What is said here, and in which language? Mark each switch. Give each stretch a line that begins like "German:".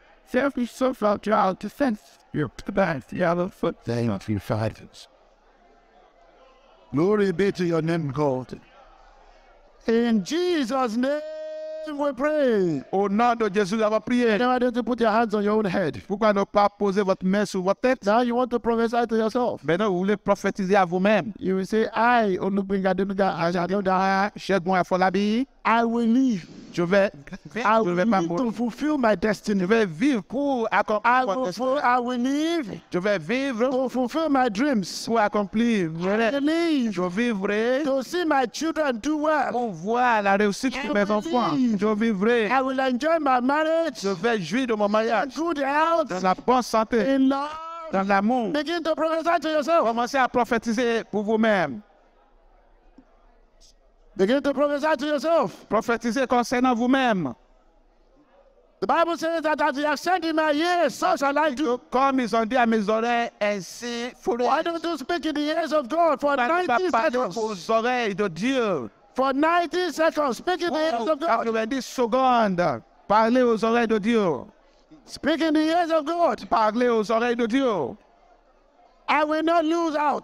English: There will be so far child defense. You're the bad, the other foot. They must be fighters. Glory be to your name, God. In Jesus' name we pray.
French: Au nom de Jésus, on va prier.
English: Why don't you put your hands on your own head?
French: Pourquoi ne pas poser votre main sur votre tête?
English: Now you want to prophesy to yourself.
French: Maintenant, vous voulez prophétiser à vous-même.
English: You will say, I, on Gbenga Adenuga, I will leave.
French: Je vais
English: to fulfill my destiny.
French: Je vais vivre pour accomplir
English: I will live.
French: Je vais vivre
English: to fulfill my dreams.
French: Pour accomplir. Je vivrai
English: to see my children do well.
French: Pour voir la réussite de mes enfants. Je vivrai.
English: I will enjoy my marriage.
French: Je vais jouir de mon mariage.
English: In good health.
French: Dans la bonne santé.
English: In love.
French: Dans l'amour.
English: Begin to prophesy to yourself.
French: Commencez à prophétiser pour vous-même.
English: Begin to prophesy to yourself.
French: Prophétisez concernant vous-même.
English: The Bible says that as you have said in my ears, so shall I do.
French: Comme ils ont dit à mes oreilles, ainsi ferai-je.
English: Why don't you speak in the ears of God for 90 seconds?
French: Aux oreilles de Dieu.
English: For 90 seconds, speak in the ears of God.
French: 90 secondes, parlez aux oreilles de Dieu.
English: Speak in the ears of God.
French: Parlez aux oreilles de Dieu.
English: I will not lose out.